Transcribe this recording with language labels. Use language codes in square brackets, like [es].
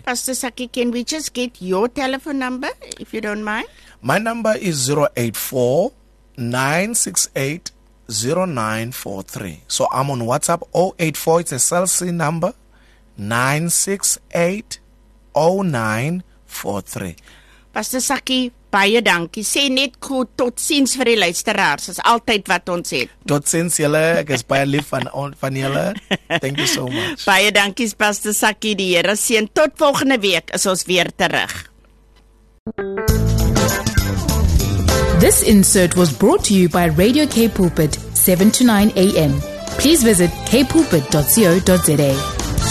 [en] Pastor Sakkie, can we just get your telephone number, if you don't mind? My number is 084-968-0943. So I'm on WhatsApp, 084, it's a cell phone number, 968-0943. [af] Pastor Sakkie, baie dankie. Sê net goed, tot ziens vir die luisteraars, is altyd wat ons het. Tot ziens julle, ek is baie lief van julle. [en] Thank you so much. [af] Baie dankie, Pastor Sakkie, die Here seën. Tot volgende week is ons weer terug. [en] This insert was brought to you by Radio K Pulpit, 7 to 9 a.m. Please visit kpulpit.co.za.